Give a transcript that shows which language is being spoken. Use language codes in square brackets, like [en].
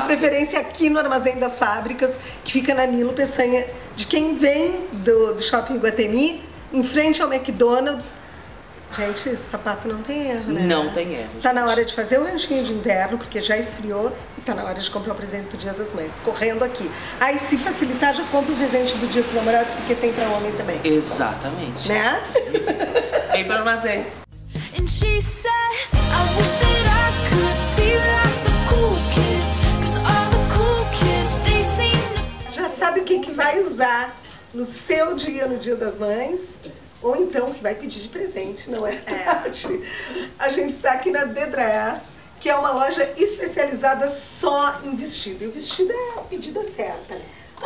[pt] De preferência aqui no Armazém das Fábricas, que fica na Nilo Peçanha, de quem vem do Shopping Iguatemi, em frente ao McDonald's. Gente, sapato não tem erro, né? Não tem erro. Tá na hora de fazer o lanchinho de inverno, porque já esfriou, e tá na hora de comprar o presente do Dia das Mães, correndo aqui. Aí, se facilitar, já compra o presente do Dia dos Namorados, porque tem pra homem também. Exatamente. Né? Vem pro armazém. [en] And she says, I wish that I could be like the cool kids, 'cause all the cool kids, they seem to... [pt] Já sabe o que vai usar no seu dia, no Dia das Mães? Ou então, que vai pedir de presente, não é, Tati? A gente está aqui na The Dress, que é uma loja especializada só em vestido. E o vestido é a pedida certa. Tô